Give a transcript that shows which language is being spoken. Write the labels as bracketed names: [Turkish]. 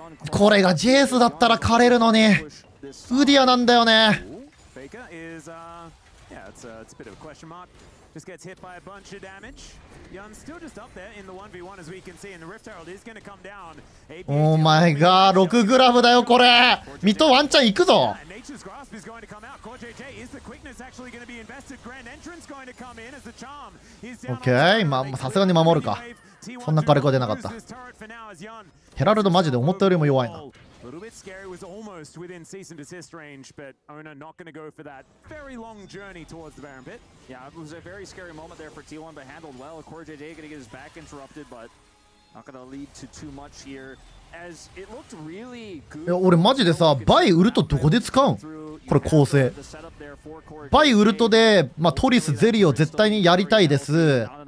[Japanese] これがジェイスだったら枯れるのに、ウディアなんだよね。 [English] Faker is, yeah, it's a bit of a question mark. Just gets hit by a bunch of damage. Yun's still just up there in the 1v1 as we can see, and the Rift Herald is gonna come down. Oh my god, 6 grab [Japanese] だよこれ。ミトワンチャン行くぞ。 [English] Nature's Grasp is going to come out. Core JJ, is the quickness actually gonna be invested? Grand Entrance going to come in as the charm. [Japanese] Okay, まあさすがに守るか。そんな火力は出なかった。ヘラルドマジで思ったよりも弱いな。 [English] Little bit scary was almost within cease and desist range, but Ona not going to go for that very long journey towards the Baron Pit. Yeah, it was a very scary moment there for T1, but handled well. Core JJ going to get his back interrupted, but not going to lead to too much here. As it looked really good. [Japanese] 俺マジでさ、バイウルトどこで使うん？これ構成。バイウルトで、まあ、トリス、ゼリーを絶対にやりたいです。